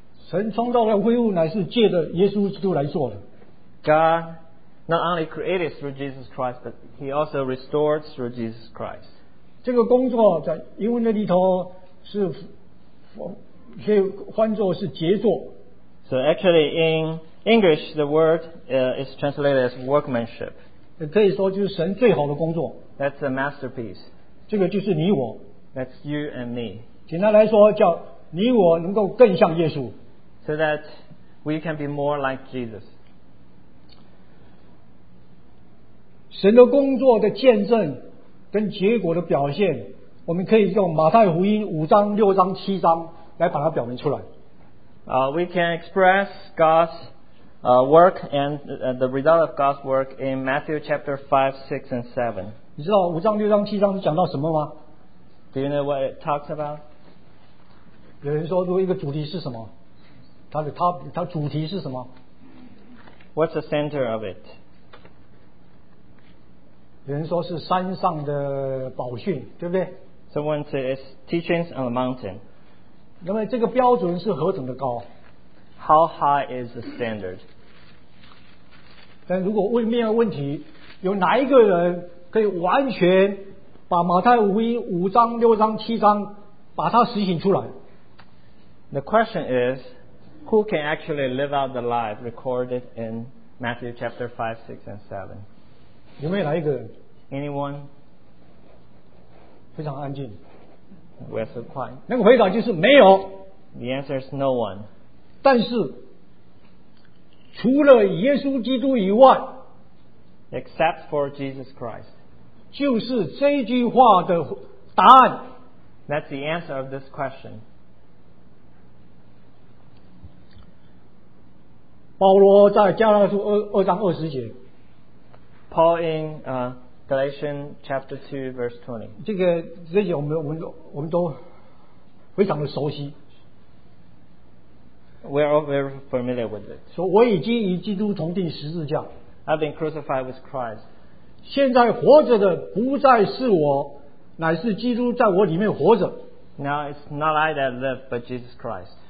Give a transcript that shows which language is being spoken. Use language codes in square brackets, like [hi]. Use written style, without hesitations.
[zh] 神创造的恢复乃是借着耶稣基督来做的。 [en] God not only created through Jesus Christ, but He also restored through Jesus Christ. [zh] 这个工作在英文的里头是可以翻作是杰作。 [en] So actually in English the word is translated as workmanship. [zh] 可以说就是神最好的工作。 [en] That's a masterpiece. [zh] 这个就是你我。 [en] That's you and me. [zh] 简单来说叫你我能够更像耶稣。 [en] So that we can be more like Jesus. [zh] 神的工作的见证跟结果的表现，我们可以用马太福音五章、六章、七章来把它表明出来。 [en] We can express God's work and the result of God's work in Matthew chapter 5, 6, and 7. [zh] 你知道五章、六章、七章是讲到什么吗 [en] ？Do you know what it talks about？ [zh] 有人说，如果一个主题是什么？它主题是什么 [en] ？What's the center of it？ [zh] 有人说是山上的宝训，对不对 [en] ？Someone said it's teachings on the mountain. [zh] 那么这个标准是何等的高 [en] ？How high is the standard？ [zh] 但如果问面的问题，有哪一个人可以完全把马太福音五章、六章、七章把它实行出来 [en] ？The question is, who can actually live out the life recorded in Matthew chapter 5, 6, and 7？ [zh] 有没有哪一个 [en] ？Anyone？ [zh] 非常安静。 [en] We are so quiet。 [zh] 那个回答就是没有。 [en] The answer is no one。 [zh] 但是，除了耶稣基督以外 [en] ，except for Jesus Christ， [zh] 就是这句话的答案。 [en] That's the answer of this question。 [zh] 保罗在加拉太书二章二十节。 [en] Paul in Galatians chapter 2 verse 20. [zh] 这些我们都非常的熟悉。 [en] We are all very familiar with it. [zh] 说我已经与基督同钉十字架。 [en] I've been crucified with Christ. [zh] 现在活着的不再是我，乃是基督在我里面活着。 [en] Now it's not I that live, but Jesus Christ.